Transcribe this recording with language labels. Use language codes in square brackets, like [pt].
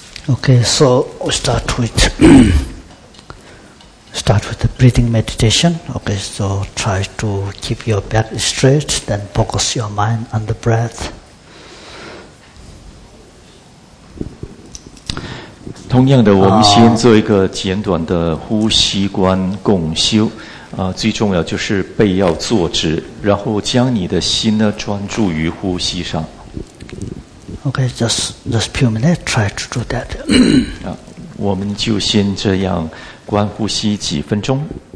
[en] Okay, so start with start with the breathing meditation. Okay, so try to keep your back straight, then focus your mind on the breath. [zh] 同样的, 我们先做一个简短的呼吸观共修。最重要就是背要坐直, 然后将你的心呢, 专注于呼吸上。 [en] Okay, just a few minutes, try to do that. [zh] 我们就先这样观呼吸几分钟。